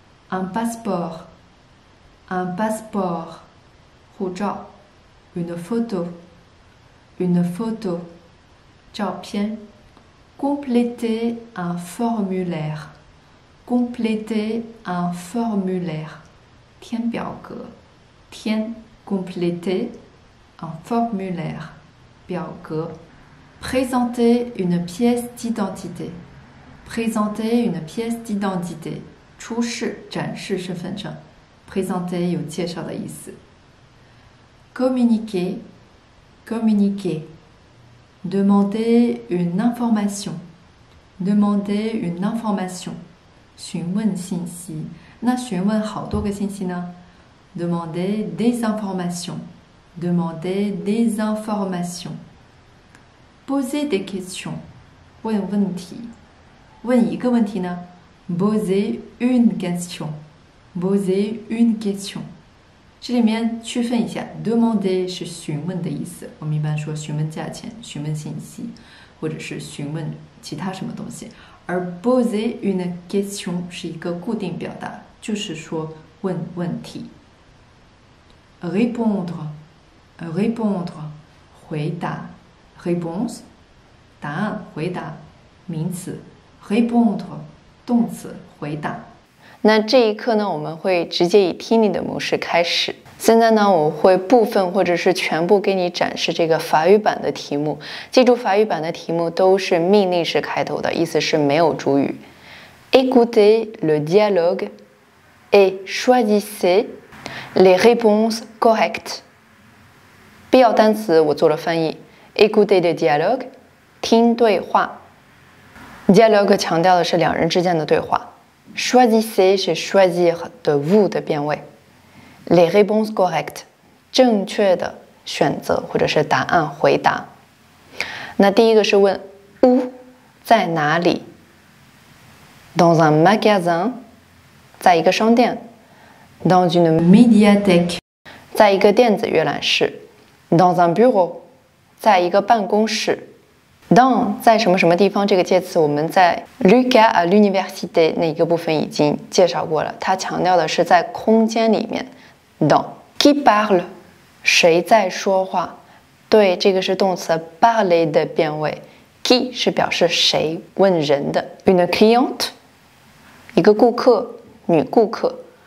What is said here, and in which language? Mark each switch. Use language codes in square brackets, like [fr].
[fr] Un passeport, un passeport, 护照 une photo, 照片 Compléter un formulaire,Compléter un formulaire, [zh] 填表格，填 [fr] compléter un formulaire, 表格 Présenter une pièce d'identité, présenter une pièce d'identité, [zh] 出示展示身份证 [fr] présenter [zh] 有介绍的意思 [fr] communiquer, communiquer. Demander une information, demander une information. [zh] 询问信息，那询问好多个信息呢？ [fr] Demander des informations. Demander des informations. Poser des questions. 问问题。 [zh] 问一个问题呢 ？ [fr] Poser une question. Poser une question. [zh] 这里面区分一下 ，demander 是询问的意思。我们一般说询问价钱、询问信息，或者是询问其他什么东西。而 poser une question 是一个固定表达，就是说问问题。 [fr] Répondre, répondre, [zh] 回答 ，réponse, 答案，回答，名词 ，répondre, 动词，回答。那这一课呢，我们会直接以听力的模式开始。现在呢，我会部分或者是全部给你展示这个法语版的题目。记住，法语版的题目都是命令式开头的，意思是没有主语。 [fr] Écoutez le dialogue et choisissez. Les réponses correctes. [zh] 必要单词我做了翻译。 [fr] Écoutez le dialogue, [zh] 听对话。 Dialogue 强调的是两人之间的对话。 Choisissez 是 choisir 的 vous 的变位。 [fr] Les réponses correctes, [zh] 正确的选择或者是答案回答。那第一个是问 où, 在哪里。 [fr] Dans un magasin, [zh] 在一个商店。 [fr] Dans une médiathèque, [zh] 在一个电子阅览室。 Dans un bureau, 在一个办公室。Dans 在什么什么地方这个介词我们在 [fr] Lucas à l'université [zh] 那一个部分已经介绍过了，它强调的是在空间里面。 [fr] Dans qui parle, [zh] 谁在说话？对，这个是动词 [fr] parler [zh] 的变位。Qui 是表示谁，问人的。 [fr] Une cliente, [zh] 一个顾客，女顾客。